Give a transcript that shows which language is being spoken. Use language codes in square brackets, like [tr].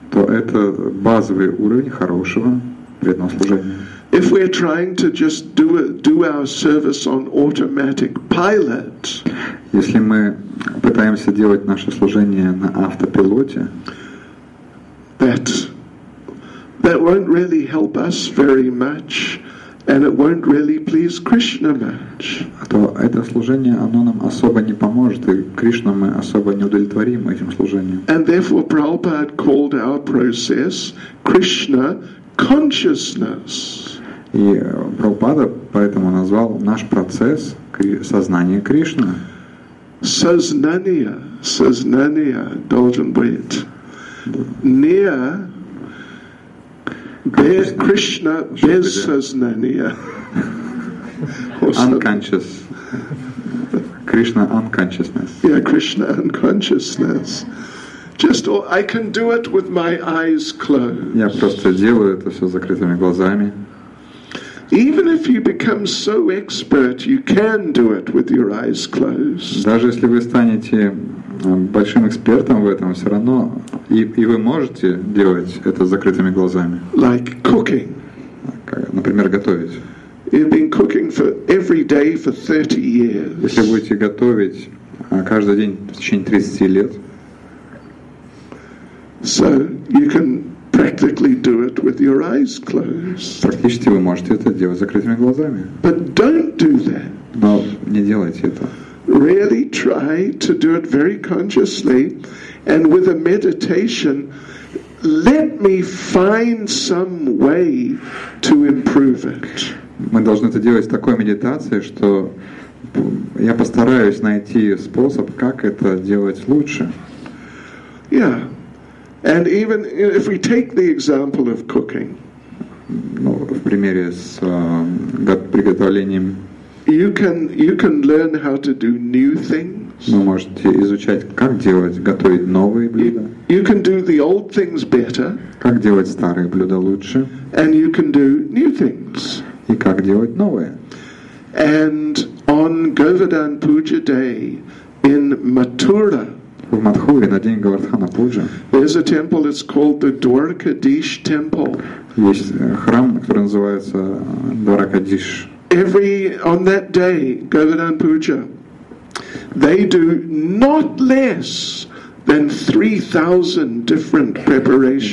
[ru] То это базовый уровень хорошего преданного служения. [en] If we're trying to just do our service on automatic pilot. [ru] Если мы пытаемся делать наше служение на автопилоте. [en] That won't really help us very much. And it won't really please Krishna much. [ru] То это служение, оно нам особо не поможет, и Кришну мы особо не удовлетворим этим служением. [en] And therefore, Prabhupada called our process Krishna consciousness. [ru] И Прабхупада поэтому назвал наш процесс сознание Кришны. Сознание должен быть [en] near. [ru] Без Кришна, без сознания. [en] Unconscious. Кришна unconsciousness. Yeah, Кришна unconsciousness. Just I can do it with my eyes closed. [ru] Я просто делаю это все закрытыми глазами. [en] Even if you become so expert, you can do it with your eyes closed. [ru] Даже если вы станете большим экспертом в этом, все равно и вы можете делать это с закрытыми глазами. [en] Like cooking. [ru] Например, готовить. [en] You've been cooking for every day for 30 years. [ru] Если будете готовить каждый день в течение 30 лет. [en] So you can practically do it with your eyes closed. [ru] Практически вы можете это делать с закрытыми глазами. [en] But don't do that. [ru] Но не делайте это. [en] Really try to do it very consciously and with a meditation. Let me find some way to improve it. [ru] Мы должны это делать с такой медитацией, что я постараюсь найти способ, как это делать лучше. [en] Yeah. And even if we take the example of cooking. [ru] Ну, в примере с приготовлением. [en] You can learn how to do new things. [ru] Вы можете изучать, как делать, готовить новые блюда. [en] You can do the old things better. [ru] Как делать старые блюда лучше. [en] And you can do new things. [ru] И как делать новые. [en] And on Govardhan Puja Day in Mathura. [ru] В Матхуре на день Говардхана Пуджа. [en] There's a temple that's called the Dwarkadish Temple. [ru] Есть храм, который называется Dwarkadish. [en] On that day, Govardhan Puja, they do not less than 3,000 different preparations.